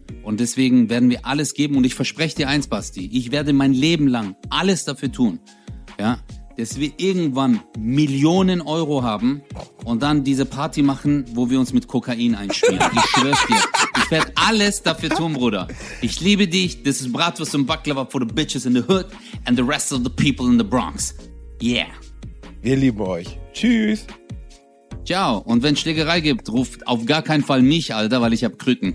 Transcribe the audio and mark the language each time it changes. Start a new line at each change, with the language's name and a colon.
German: Und deswegen werden wir alles geben. Und ich verspreche dir eins, Basti. Ich werde mein Leben lang alles dafür tun, ja, dass wir irgendwann Millionen Euro haben und dann diese Party machen, wo wir uns mit Kokain einschmieren. Ich schwör's dir. Ich werde alles dafür tun, Bruder. Ich liebe dich.
English: This is Bratwurst und Baklava for the bitches in the hood and the rest of the people in the Bronx. Yeah.
German: Wir lieben euch. Tschüss.
Italian: Ciao.
German: Und wenn es Schlägerei gibt, ruft auf gar keinen Fall mich, Alter, weil ich hab Krücken.